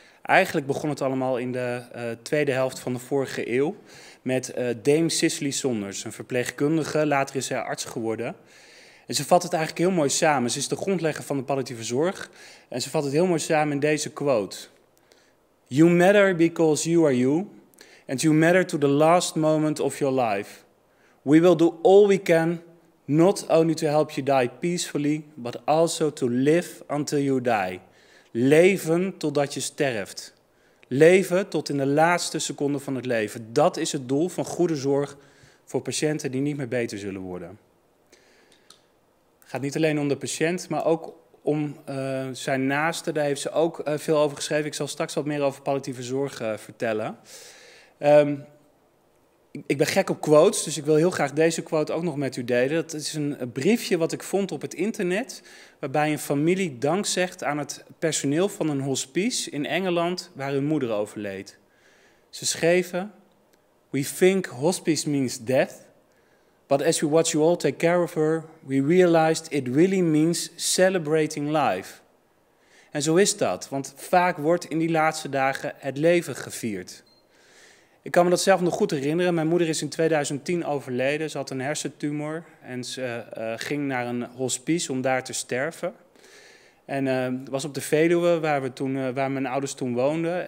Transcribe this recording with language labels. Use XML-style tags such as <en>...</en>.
<nl>Eigenlijk begon het allemaal in de tweede helft van de vorige eeuw met Dame Cicely Saunders, een verpleegkundige. Later is zij arts geworden. En ze vat het eigenlijk heel mooi samen. Ze is de grondlegger van de palliatieve zorg. En ze vat het heel mooi samen in deze quote.</nl> <en>You matter because you are you. And you matter to the last moment of your life. We will do all we can, not only to help you die peacefully, but also to live until you die.</en> <nl>Leven totdat je sterft. Leven tot in de laatste seconde van het leven. Dat is het doel van goede zorg voor patiënten die niet meer beter zullen worden. Het gaat niet alleen om de patiënt, maar ook om zijn naaste. Daar heeft ze ook veel over geschreven. Ik zal straks wat meer over palliatieve zorg vertellen. Ik ben gek op quotes, dus ik wil heel graag deze quote ook nog met u delen. Dat is een briefje wat ik vond op het internet, waarbij een familie dank zegt aan het personeel van een hospice in Engeland waar hun moeder overleed. Ze schreven,</nl> <en>we think hospice means death, but as we watch you all take care of her, we realized it really means celebrating life.</en> <nl>En zo is dat, want vaak wordt in die laatste dagen het leven gevierd. Ik kan me dat zelf nog goed herinneren. Mijn moeder is in 2010 overleden. Ze had een hersentumor en ze ging naar een hospice om daar te sterven. En het was op de Veluwe waar mijn ouders toen woonden.</nl>